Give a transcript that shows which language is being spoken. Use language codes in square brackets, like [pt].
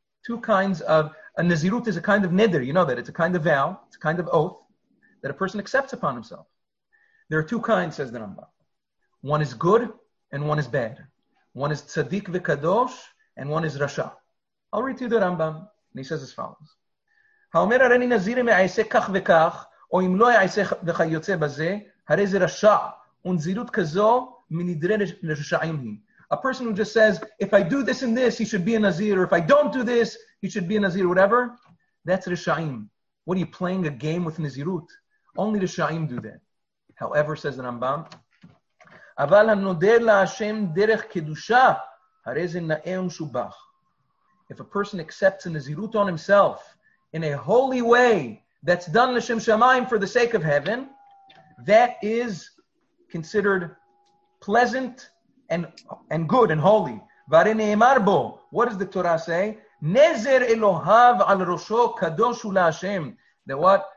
[en] Two kinds of, a nazirut is a kind of neder, you know that, it's a kind of vow, it's a kind of oath that a person accepts upon himself. There are two kinds, says the Rambam. One is good and one is bad. One is tzaddik v'kadosh and one is rasha. I'll read to you the Rambam, and he says as follows. [he] האומר הרי אני נזיר אם אעשה כך וכך, או אם לא אעשה וכיוצא בזה, הרי זה רשע, ונזירות כזו מנדרי רשעים היא. [en] A person who just says, if I do this and this, he should be a nazir, or if I don't do this, he should be a nazir, whatever, that's רשעים. What are you playing a game with נזירות? Only רשעים do that. However, says the Rambam, [he] אבל הנודר להשם דרך קדושה, הרי זה נאה ומשובח. [en] If a person accepts a נזירות on himself, in a holy way that's done l'shem shamayim for the sake of heaven, that is considered pleasant and good and holy. V'arei ne'emar bo, what does the Torah say? [he] Nezer Elohav al rosho kadosh hu la'Hashem. [en] That what?